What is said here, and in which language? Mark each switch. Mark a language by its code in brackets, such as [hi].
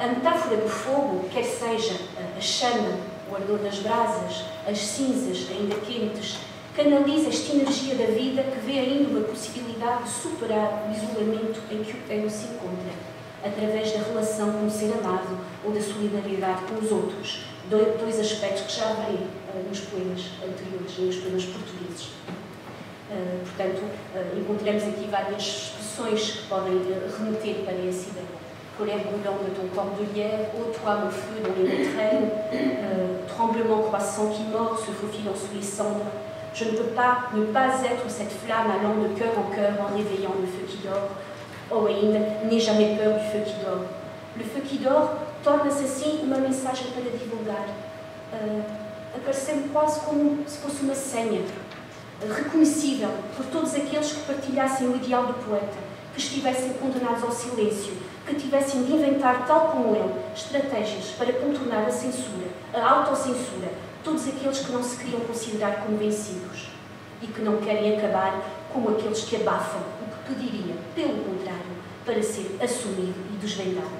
[pt] A metáfora do fogo, quer seja a chama, o ardor das brasas, as cinzas ainda quentes, canaliza esta energia da vida que vê ainda uma possibilidade de superar o isolamento em que o ego se encontra, através da relação com o ser amado ou da solidariedade com os outros, dois aspectos que já abri nos poemas anteriores, nos poemas portugueses. Portanto, encontramos aqui várias expressões que podem remeter para esse ideia. [fr] Colère brûlante de ton corps de lierre, ôte-toi mon feu dans les entrailles, tremblement croissant qui mord, se faufilant sous les cendres. Je ne peux pas ne pas être cette flamme allant de cœur en cœur en réveillant le feu qui dort. Oh, Wayne, n'aie jamais peur du feu qui dort. Le feu qui dort [pt] torna-se assim uma mensagem para divulgar. Apareceu-me quase como se fosse uma senha, reconhecível por todos aqueles que partilhassem o ideal do poeta, que estivessem condenados ao silêncio, que tivessem de inventar, tal como eu, estratégias para contornar a censura, a autocensura, todos aqueles que não se queriam considerar como vencidos e que não querem acabar como aqueles que abafam o que pediria, pelo contrário, para ser assumido e desvendado.